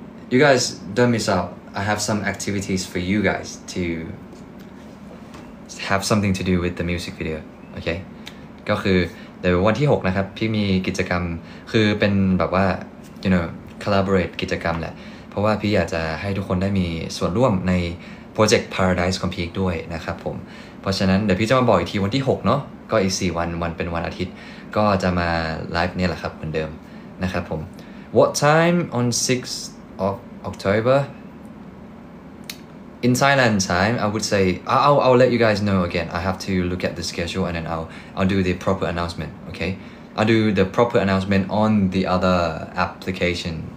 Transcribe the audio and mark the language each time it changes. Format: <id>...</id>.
<en>You guys don't miss out. I have some activities for you guys to. Have something to do with the music video, okay?</en> <th>ก็คือเดี๋ยววันที่6นะครับพี่มีกิจกรรมคือเป็นแบบว่า</th> <en>you know collaborate</en> <th>กิจกรรมแหละเพราะว่าพี่อยากจะให้ทุกคนได้มีส่วนร่วมใน project paradise ของพีคด้วยนะครับผมเพราะฉะนั้นเดี๋ยวพี่จะมาบอกอีกทีวันที่6เนาะก็อีก4วันวันเป็นวันอาทิตย์ก็จะมาไลฟ์เนี่ยแหละครับเหมือนเดิมนะครับผม</th> <en>What time on 6th of OctoberIn Thailand time, I would say I'll let you guys know again. I have to look at the schedule and then I'll do the proper announcement. Okay, I'll do the proper announcement on the other application.</en>